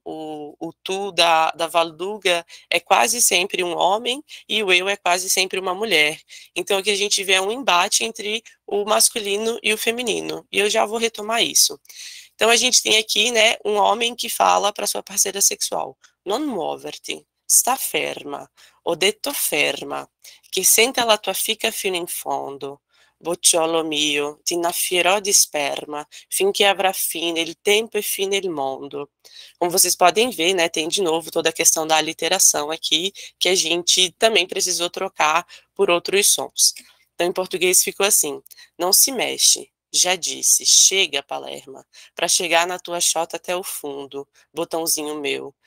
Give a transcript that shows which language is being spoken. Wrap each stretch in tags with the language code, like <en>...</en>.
<pt>O tu da Valduga é quase sempre um homem e o eu é quase sempre uma mulher. Então, aqui a gente vê um embate entre o masculino e o feminino. E eu já vou retomar isso. Então, a gente tem aqui, né, um homem que fala para sua parceira sexual.</pt> <it>Non muoverti, sta ferma. Ho detto ferma, che senta la tua fica fino in fondo. Bocciolo mio, ti innaffierò di sperma, finché avrà fine il tempo e fine il mondo.</it> <pt>Como vocês podem ver, né, tem de novo toda a questão da aliteração aqui, que a gente também precisou trocar por outros sons. Então, em português ficou assim. Não se mexe, já disse, chega, Palerma, para chegar na tua xota até o fundo, botãozinho meu.</pt>